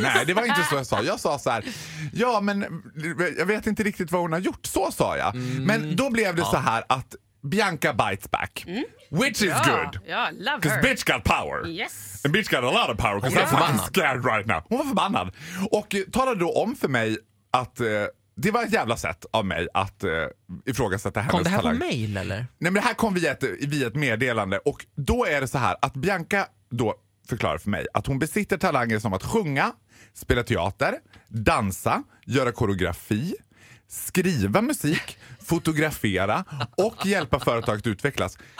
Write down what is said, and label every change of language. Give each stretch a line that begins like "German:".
Swedish: Nej, det var inte så jag sa. Jag sa så här: ja, men jag vet inte riktigt vad hon har gjort. Så sa jag. Men då blev det så här att Bianca
English: bites back. Which is good. Ja, love her. Because bitch got power. Yes. And bitch got a lot of power. Because I'm scared right now.
Swedish: Hon var förbannad. Och talade då om för mig att... det var ett jävla sätt av mig att ifrågasätta hennes talang. Kom det här på mail eller? Nej, men det här kom via ett meddelande. Och då är det så här att Bianca då förklarar för mig att hon besitter talanger som att sjunga, spela teater, dansa, göra koreografi, skriva musik, fotografera och hjälpa företag att utvecklas.